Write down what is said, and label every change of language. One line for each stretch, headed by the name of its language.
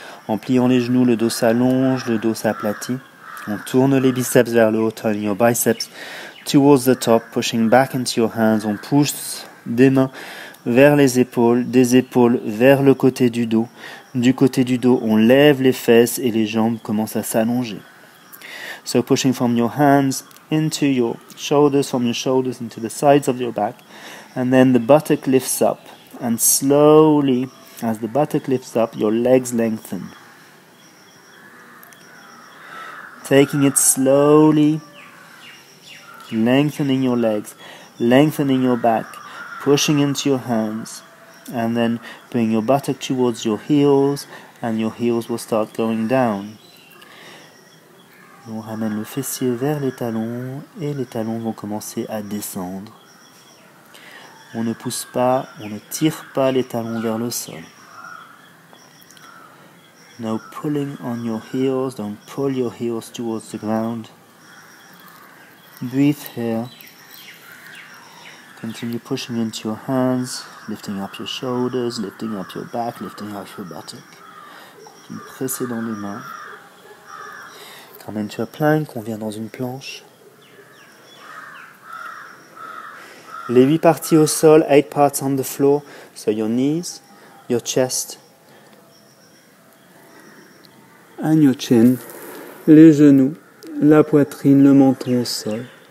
French: En pliant les genoux, le dos s'allonge, le dos s'aplatit. On tourne les biceps vers le haut,
English: turning your biceps towards the top, pushing back into your hands.
French: On pousse des mains vers les épaules, des épaules vers le côté du dos. Du côté du dos, on lève les fesses et les jambes commencent à s'allonger.
English: So pushing from your hands into your shoulders, from your shoulders into the sides of your back. And then the buttock lifts up. And slowly, as the buttock lifts up, your legs lengthen. Taking it slowly, lengthening your legs, lengthening your back, pushing into your hands. And then bring your buttock towards your heels, and your heels will start going down.
French: On ramène le fessier vers les talons, et les talons vont commencer à descendre. On ne pousse pas, on ne tire pas les talons vers le sol.
English: Now pulling on your heels, don't pull your heels towards the ground. Breathe here. Continue pushing into your hands, lifting up your shoulders, lifting up your back, lifting up your buttock.
French: Continue presser dans les mains.
English: Come into a plank,
French: on vient dans une planche. Les 8 parties au sol,
English: 8 parts on the floor. So your knees, your chest, and your chin,
French: les genoux, la poitrine, le menton au sol.